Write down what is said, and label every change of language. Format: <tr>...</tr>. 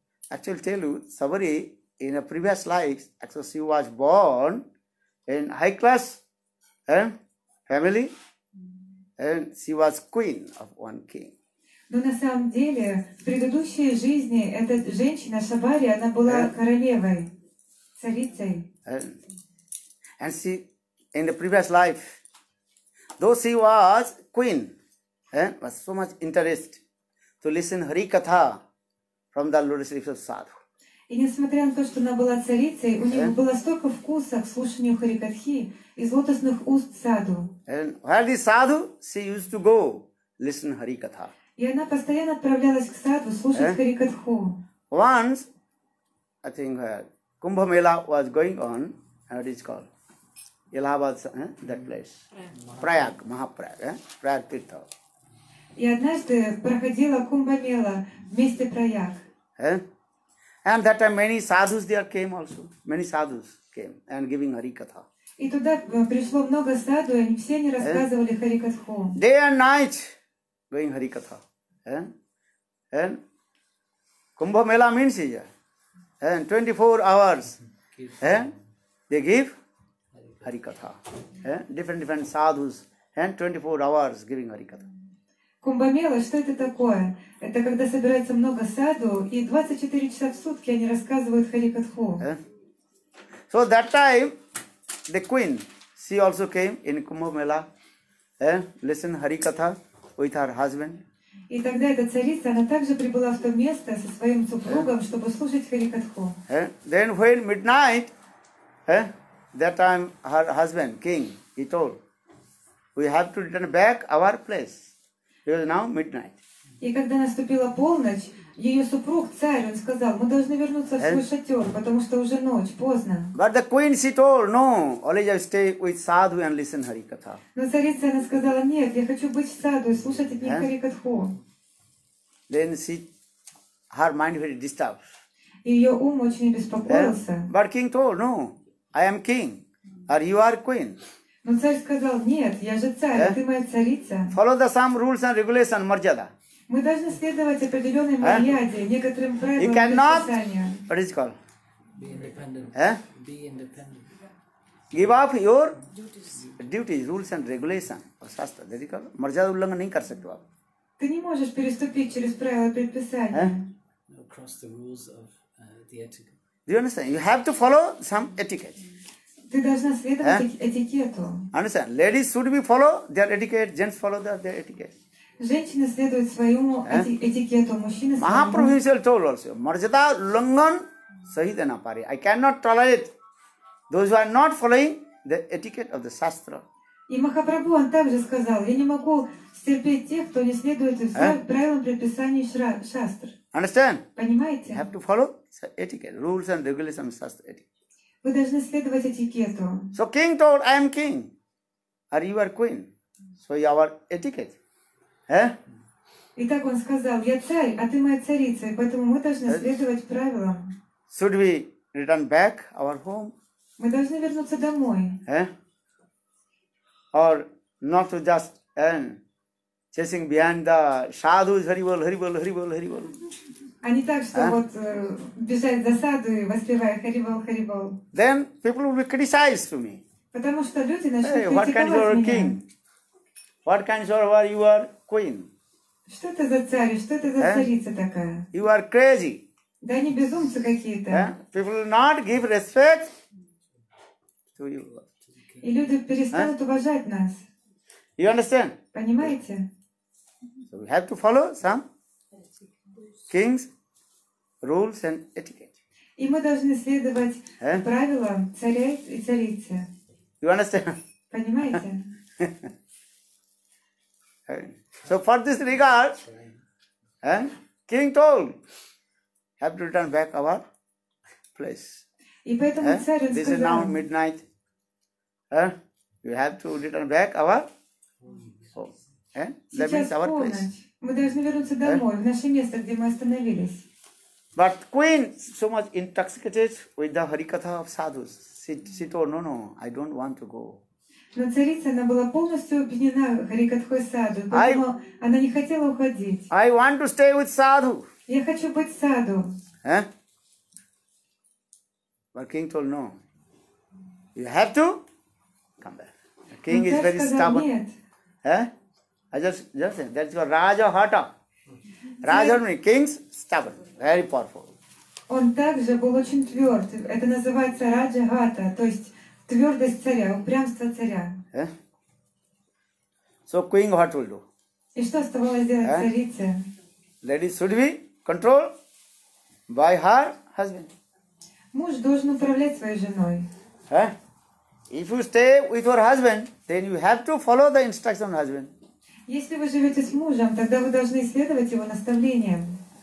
<en>Actually tell you, Sabari, in a previous life, actually she was born in high class family, and she was queen of one king.</en> <ru>Но на самом деле, в предыдущей жизни эта женщина, Сабари, она была королевой, царицей.</ru> <en>And she, in the previous life, though she was queen, was so much interest to listen Hari Katha, from the lotus leaves of sadhu.</en> <ru>И несмотря на то, что она была царицей, у нее было столько вкуса к слушанию харикатхи из лотосных уст саду.</ru> <en>And where the sadhu, she used to go listen harikatha.</en> <ru>И она постоянно отправлялась к саду слушать харикатху.</ru> <en>Once, I think Kumbh Mela was going on, what is called? Allahabad, that place. Prayag, Mahaprayag, Prayag Tirtha.</en> <ru>И однажды проходила Кумбамела вместе Прояг.</ru> <en>And that time many sadhus there came also. Many sadhus came and giving Harikatha.</en> <ru>И туда пришло много саду, и все они рассказывали Харикатху.</ru> <en>Day and night going Harikatha. And Кумбамела means here. And 24 hours they give Harikatha. Different sadhus and 24 hours giving Harikatha.</en> <ru>Кумбамела, что это такое? Это когда собирается много саду, и 24 часа в сутки они рассказывают Харикатху.</ru> <en>So that time, the queen, she also came in Kumbamela, listen Harikatha with her husband.</en> <ru>И тогда эта царица, она также прибыла в то место со своим супругом, чтобы слушать Харикатху.</ru> <en>Then when midnight, that time her husband, king, he told, we have to return back our place. It was now midnight.</en> <ru>И когда наступила полночь, ее супруг, царь, он сказал, мы должны вернуться в свой шатер, потому что уже ночь, поздно.</ru> <en>But the queen, she told, no, only I stay with sadhu and listen Harikatha.</en> <ru>Но царица, она сказала, нет, я хочу быть саду и слушать от них Харикатху.</ru> <en>Then she, her mind very disturbed.</en> <ru>И ее ум очень беспокоился.</ru> <en>But king told, no, I am king, or you are queen.</en> <ru>Но царь сказал, нет, я же царь, ты моя царица.</ru> <en>Follow the same rules and regulations, marjada.</en> <ru>Мы должны следовать определенной марьяде, некоторым правилам.</ru> <en>You cannot, what is it called? Be independent. Be independent. Give up your duties, rules and regulations. Or shastra, that is called?</en> <hi>Marjada ullanga nahi kar sakte aap.</hi> <ru>Ты не можешь переступить через правила предписания.</ru> <en>Across the rules of the etiquette. Do you understand? You have to follow some etiquette.</en> <ru>Ты должна следовать этикету.</ru> <en>Understand? Ladies should be follow their etiquette. Gents follow their etiquette.</en> <ru>Женщины следуют своему этикету, мужчины своему.</ru> <en>Mahaprabhu himself told also,</en> <bn>marjada ullanghan sahi dena pare.</bn> <en>I cannot tolerate those who are not following the etiquette of the shastra.</en> <ru>И Махапрабху он также сказал, я не могу стерпеть тех, кто не следует правилам предписаний шастр.</ru> <en>Understand?</en> <ru>Понимаете?</ru> <en>You have to follow the etiquette, rules and regulations of shastra etiquette.</en> <ru>Вы должны следовать этикету.</ru> <en>So king told, I am king, or you are queen. So your etiquette.</en> <ru>И так он сказал, я царь, а ты моя царица, и поэтому мы должны следовать правилам.</ru> <en>Should we return back our home?</en> <ru>Мы должны вернуться домой.</ru> <en>Or not to just chasing behind the sadhus, Haribol.</en> <ru>А не так, что вот бежать за саду и воспевая Haribol.</ru> <en>Then people will be criticized to me.</en> <ru>Потому что люди начнут критиковать меня.</ru> <en>What kind of king? What kind of are you are? Queen.</en> <ru>Что это за царь? Что это за царица такая?</ru> <en>You are crazy.</en> <ru>Да они безумцы какие-то.</ru> <en>People will not give respect to you.</en> <ru>И люди перестанут уважать нас.</ru> <en>You understand?</en> <ru>Понимаете?</ru> <en>So we have to follow some king's rules and etiquette.</en> <ru>И мы должны следовать правилам царя и царицы.</ru> <en>You understand?</en> <ru>Понимаете?</ru> <en>So for this regard, king told, have to return back our place. This is now midnight. You have to return back our home. That means our place.</en> <ru>Мы должны вернуться домой, в наше место, где мы остановились.</ru> <en>But queen so much intoxicated with the harikatha of sadhus. She told, no, I don't want to go.</en> <ru>Но царица, она была полностью объединена Харикатхой Саду, поэтому она не хотела уходить.</ru> <en>I want to stay with Sadhu.</en> <ru>Я хочу быть Саду.</ru> <en>But king told no. You have to come back. The king is very stubborn.</en> <ru>Нет.</ru> <en>I just said, that's your Raja Hata. Raja means king's stubborn, very powerful.</en> <ru>Он также был очень тверд. Это называется Раджа Хата, то есть твердость царя, упрямство царя.</ru> <en>So queen what will do?</en> <ru>И что оставалось делать царице?</ru> <en>Lady should be controlled by her husband.</en> <ru>Муж должен управлять своей женой.</ru> <en>If you stay with your husband, then you have to follow the instruction of husband.</en> <ru>Если вы живете с мужем, тогда вы должны следовать его наставлениям.</ru>